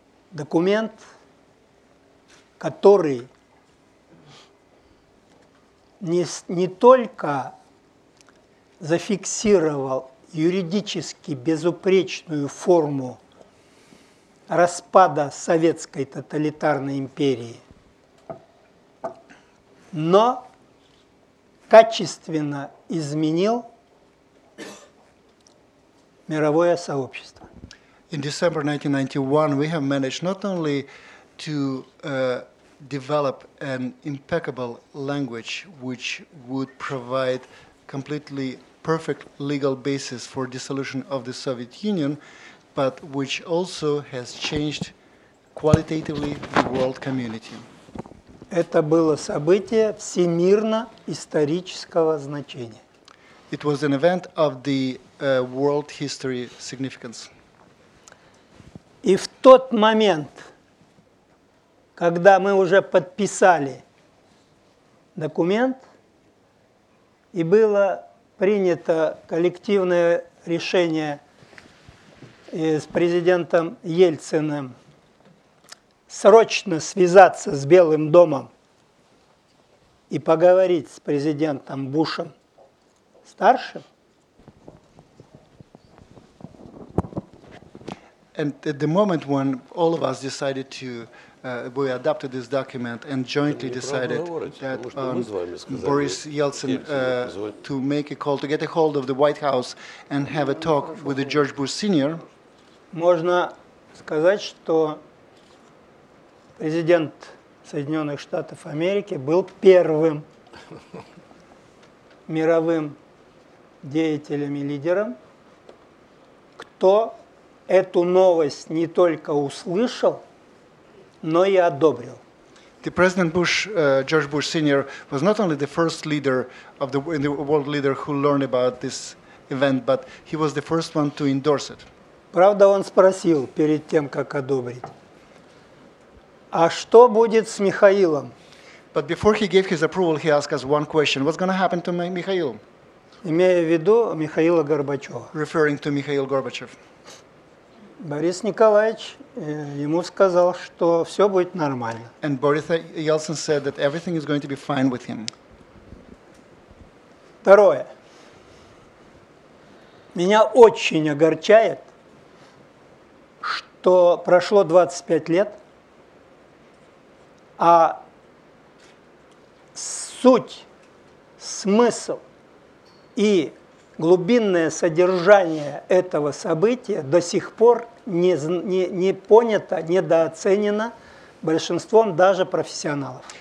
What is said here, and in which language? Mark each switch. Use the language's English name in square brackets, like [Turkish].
[Russian] документ, который не только зафиксировал юридически безупречную форму распада Советской тоталитарной империи, но качественно изменил мировое сообщество. [English] In December 1991, we have managed not only to develop an impeccable language which would provide completely perfect legal basis for dissolution of the Soviet Union, but which also has changed qualitatively the world community. [Russian] Это было событие всемирно исторического значения. [English] It was an event of the world history significance. [Russian] И в тот момент, когда мы уже подписали документ, и было принято коллективное решение с президентом Ельциным срочно связаться с Белым домом и поговорить с президентом Бушем старшим. [English] And at the moment when all of us decided to we adopted this document and jointly decided that Boris Yeltsin to make a call, to get a hold of the White House and have a talk with the George Bush Senior. [Russian] Можно сказать, что президент Соединенных Штатов Америки был первым мировым деятелем и лидером, кто эту новость не только услышал, но и одобрил. [English] The President Bush, George Bush Senior, was not only the first leader of the world leader who learned about this event, but he was the first one to endorse it. [Russian] Правда, он спросил перед тем, как одобрить, а что будет с Михаилом? [English] But before he gave his approval, he asked us one question: what's going to happen to Михаил? [Russian] Имея в виду Михаила Горбачева. [English] Referring to Mikhail Gorbachev. [Russian] Борис Николаевич ему сказал, что все будет нормально. [English] And Boris Yeltsin said that everything is going to be fine with him. [Russian] Второе. Меня очень огорчает, что прошло 25 лет, а суть, смысл и глубинное содержание этого события до сих пор не понято, недооценено большинством даже профессионалов.